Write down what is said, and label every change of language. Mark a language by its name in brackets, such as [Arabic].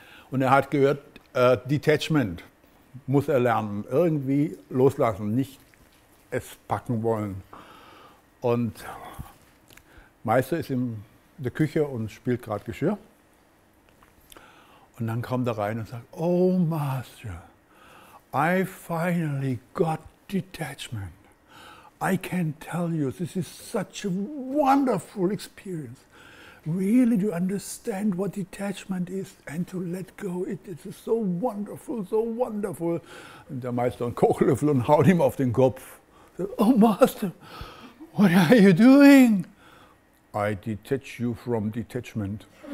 [German] Und er hat gehört, Detachment muss er lernen, irgendwie loslassen, nicht es packen wollen. Und Meister ist in der Küche und spielt gerade Geschirr. Und dann kommt er rein und sagt, [English] oh Master, I finally got detachment. I can tell you, this is such a wonderful experience. Really, to understand what detachment is and to let go, it is so wonderful, so wonderful. [German] Und der Meister einen Kochlöffel und haut ihm auf den Kopf. [English] Oh Master, what are you doing? I detach you from detachment.